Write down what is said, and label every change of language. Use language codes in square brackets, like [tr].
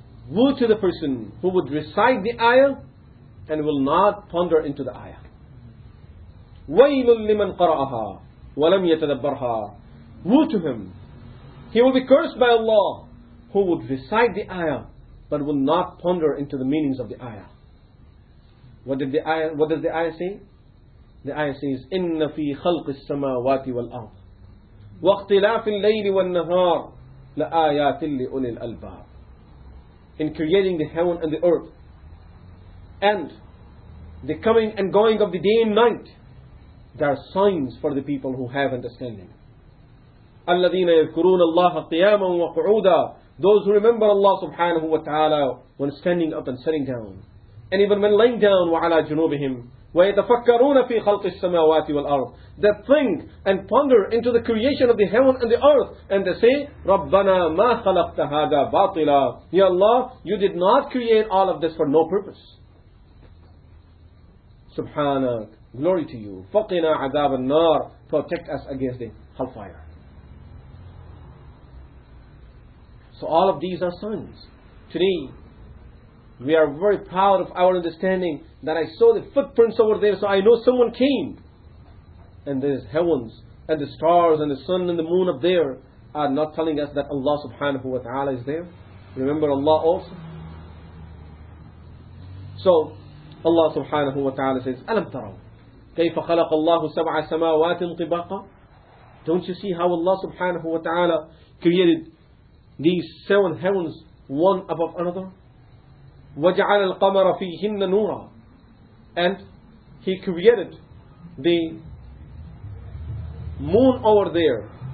[en] Woe to the person who would recite the ayah and will not ponder into the ayah. [ar] وَيْلٌ لِّمَنْ قَرَأَهَا وَلَمْ يَتَدَبَّرْهَا. [en] Woe to him. He will be cursed by Allah who would recite the ayah but will not ponder into the meanings of the ayah. What does the ayah say? The ayah says, [ar] إِنَّ فِي خَلْقِ السَّمَاوَاتِ وَالْأَرْضِ وَاخْتِلَافِ اللَّيْلِ وَالنَّهَارِ لَآيَاتٍ لِأُولِي الْأَلْبَابِ. [en] In creating the heaven and the earth, and the coming and going of the day and night, there are signs for the people who have understanding. [ar] الَّذِينَ يَذْكُرُونَ اللَّهَ قِيَامًا وَقُعُودًا. [en] Those who remember Allah subhanahu wa ta'ala when standing up and sitting down, and even when lying down, [ar] وَعَلَى جُنُوبِهِمْ. وَيَتَفَكَّرُونَ فِي خَلْقِ السَّمَاوَاتِ وَالْأَرْضِ. [en] They think and ponder into the creation of the heaven and the earth. And they say, [ar] رَبَّنَا مَا خَلَقْتَ هَذَا بَاطِلًا. [en] Ya Allah, you did not create all of this for no purpose. Subhanak, glory to you. [ar] فَقِنَا عَذَابَ النَّارِ. [en] Protect us against the hellfire. So all of these are signs. Today, we are very proud of our understanding that I saw the footprints over there, so I know someone came. And these heavens and the stars and the sun and the moon up there are not telling us that Allah subhanahu wa ta'ala is there. Remember Allah also. So Allah subhanahu wa ta'ala says, [ar] أَلَمْ تَرَوْا كَيْفَ خَلَقَ اللَّهُ سَبْعَ سَمَاوَاتٍ طِبَاقًا. [en] Don't you see how Allah subhanahu wa ta'ala created these 7 heavens one above another? [ar] وَجَعَلَ الْقَمَرَ فِيهِنَّ نُورًا. [en] And he created the moon over there